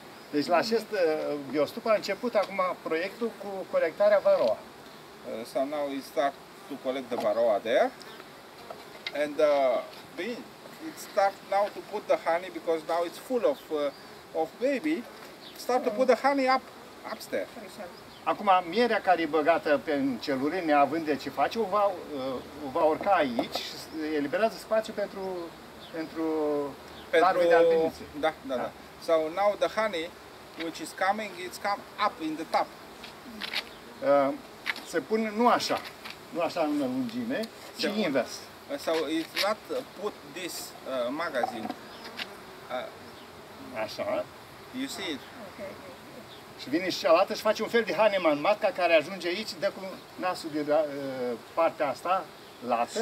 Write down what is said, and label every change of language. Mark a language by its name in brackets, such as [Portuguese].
[Romanian] Deci la acest biostup a început acum proiectul cu colectarea varroa. [English] So now we start to collect the varroa there. And it start now to put the honey because now it's full of baby. Start to put the honey up. Upstairs. [Romanian] Acum mierea care e băgată pe celule, neavând de ce face, o va urca aici și eliberează spațiu pentru larvele de albinițe. Da. [English] So now the honey which is coming, it's come up in the top. [Romanian] Se pune nu așa în lungime, ci invers. [English] So it's not put this magazine. [Romanian] Așa. [English] You see it? Okay. [Romanian] Și vine și cealaltă și face un fel de Hahnemann. Matca care ajunge aici, dă cu nasul de partea asta, lată.